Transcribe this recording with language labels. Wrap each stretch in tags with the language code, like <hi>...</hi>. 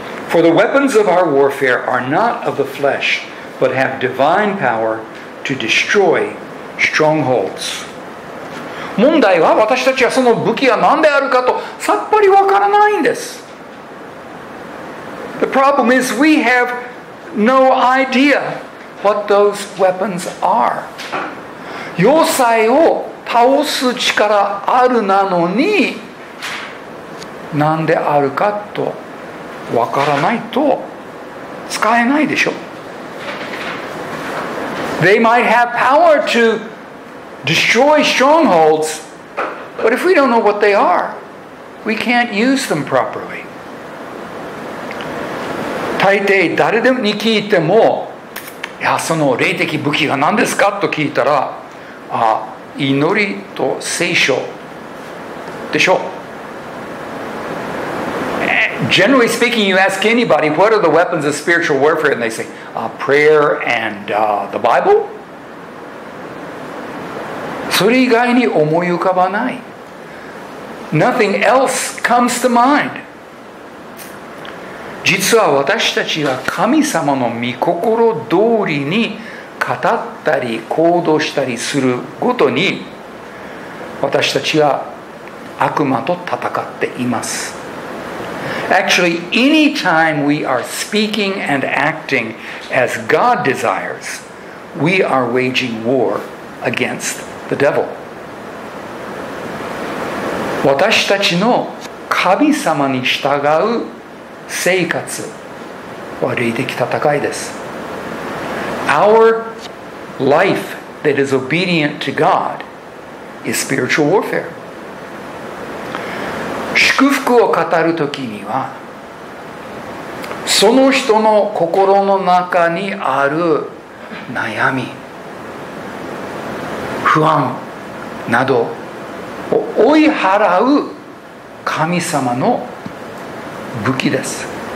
<en>For the weapons of our warfare are not of the flesh, but have divine power to destroy strongholds.</en> <ja>問題は私たちはその武器は何であるかとさっぱりわからないんです。</ja> <en>The problem is we have no idea what those weapons are.</en> <ja>要塞を倒す力あるなのに何であるかとわからないと使えないでしょ。</ja> <en>They might have power to destroy strongholds. But if we don't know what they are, we can't use them properly.</en> <ja>大抵誰でもに聞いても、いやその霊的武器が何ですかと聞いたら、祈りと聖書でしょう。</ja> <en>Generally speaking, you ask anybody, what are the weapons of spiritual warfare? And they say, prayer and the Bible?</en> <ja>それ以外に思い浮かばない。</ja> <en>Nothing else comes to mind.</en> <ja>実は私たちが神様の御心通りに語ったり行動したりするごとに私たちは悪魔と戦っています。</ja> <en>Actually, any time we are speaking and acting as God desires, we are waging war against the devil.</en> <ja>私たちの神様に従う生活は霊的戦いです。</ja> <en>Our life that is obedient to God is spiritual warfare.</en> <ja>祝福を語るときには、その人の心の中にある悩み、不安など、追い払う神様の武器です。</ja>